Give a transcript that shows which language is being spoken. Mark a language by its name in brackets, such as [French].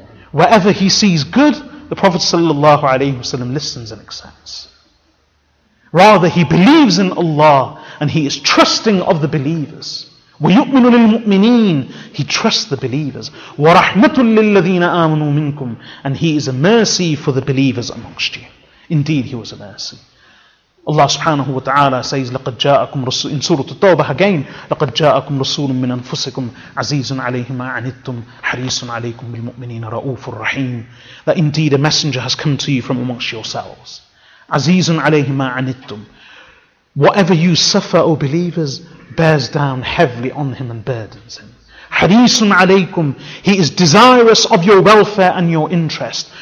[English] Wherever he sees good, the Prophet sallallahu alaihi wasallam listens and accepts. Rather, he believes in Allah and he is trusting of the believers. [Arabic] وَيُؤْمِنُ لِلْمُؤْمِنِينَ. [English] He trusts the believers. [Arabic] وَرَحْمَةٌ لِلَّذِينَ آمَنُوا مِنْكُمْ. [English] And he is a mercy for the believers amongst you. Indeed, he was a mercy. Allah subhanahu wa ta'ala says, [Arabic] لَقَدْ جَاءَكُمْ رَسُولٌ, [English] in Surah At-Tawbah again, [Arabic] لَقَدْ جَاءَكُمْ رَسُولٌ مِّنْ أَنفُسِكُمْ عَزِيزٌ عَلَيْهِ مَا عَنِتُّمْ حَرِيصٌ عَلَيْكُمْ بِالْمُؤْمِنِينَ رَؤُوفٌ رَحِيمٌ. [English] That indeed a messenger has come to you from amongst yourselves. [Arabic] عَزِيزٌ عَلَيْهِ مَا عَنِتُّمْ. [English] Whatever you suffer, O believers, bears down heavily on him and burdens him. [Arabic] حَرِيصٌ عَلَيْكُمْ. [English] He is desirous of your welfare and your interest.